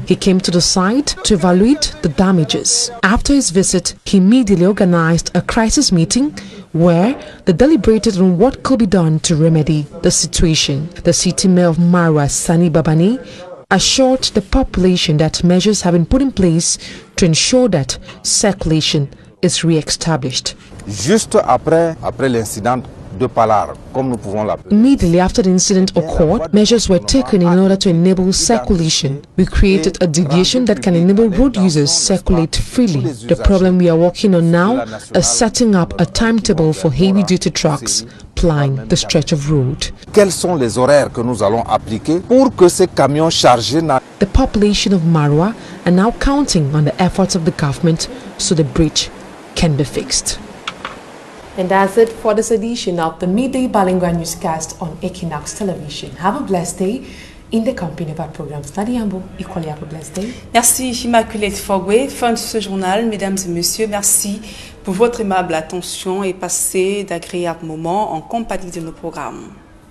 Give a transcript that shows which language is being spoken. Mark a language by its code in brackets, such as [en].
[en] He came to the site to evaluate the damages. After his visit, he immediately organized a crisis meeting where they deliberated on what could be done to remedy the situation. The city mayor of Marwa, Sani Babani, assured the population that measures have been put in place to ensure that circulation is re-established. [fr] Juste après l'incident de Palar, comme nous pouvons l'appeler. [en] Immediately after the incident occurred, measures were taken in order to enable circulation. We created a deviation that can enable road users circulate freely. The problem we are working on now is setting up a timetable for heavy-duty trucks plying the stretch of road. [fr] Quels sont les horaires que nous allons appliquer pour que ces camions chargés? [en] The population of Marwa are now counting on the efforts of the government so the bridge can be fixed. And that's it for this edition of the Midday Balingua newscast on Equinox Television. Have a blessed day in the company of our programs. Nadiambo, equally have a blessed day. [fr] Merci, Immaculate Fogwe. Fin de ce journal, mesdames et messieurs, merci pour votre aimable attention et passez d'agréables moments en compagnie de nos programmes.